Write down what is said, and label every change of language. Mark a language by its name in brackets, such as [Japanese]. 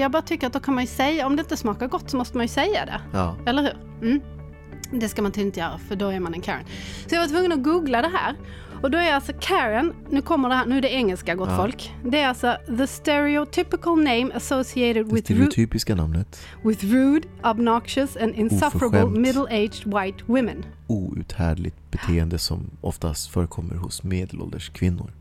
[Swedish] Jag bara tycker att då kan man ju säga, om det inte smakar gott så måste man ju säga det. Ja. Eller hur? Mm. Det ska man tydligen inte göra, för då är man en Karen. Så jag var tvungen att googla det här. Och då är alltså Karen, nu kommer det här, nu är det engelska, gott, ja, folk. Det är alltså [English] the stereotypical name associated with [Swedish] det stereotypiska namnet. [English] With rude, obnoxious and insufferable middle-aged white women. [Swedish] Outhärdligt beteende som oftast förekommer hos medelålders kvinnor.